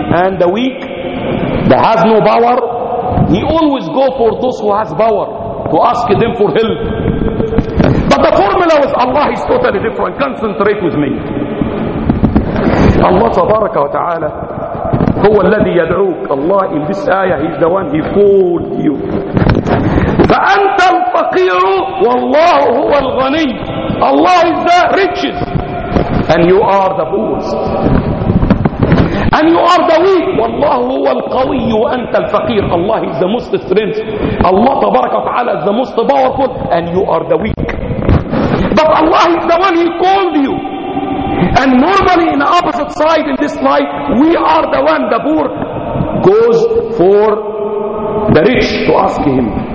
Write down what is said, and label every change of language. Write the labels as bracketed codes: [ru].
[en] And the weak that has no power, he always go for those who has power to ask them for help. But the formula with Allah is totally different. Concentrate with me. [ar] Allah تبارك وتعالى هو الذي يدعوك. [en] Allah in this ayah is the one, he called you. [ar] فأنت الفقير والله هو الغني. [en] Allah is the richest. And you are the poorest. And you are the weak. [ar] والله هو القوي وأنت الفقير. [en] Allah is the most strength. Allah [ar] تبارك وتعالى [en] is the most powerful. And you are the weak. But Allah is the one, he called you. And normally in the opposite side in this life, we are the one, the poor, goes for the rich to ask him.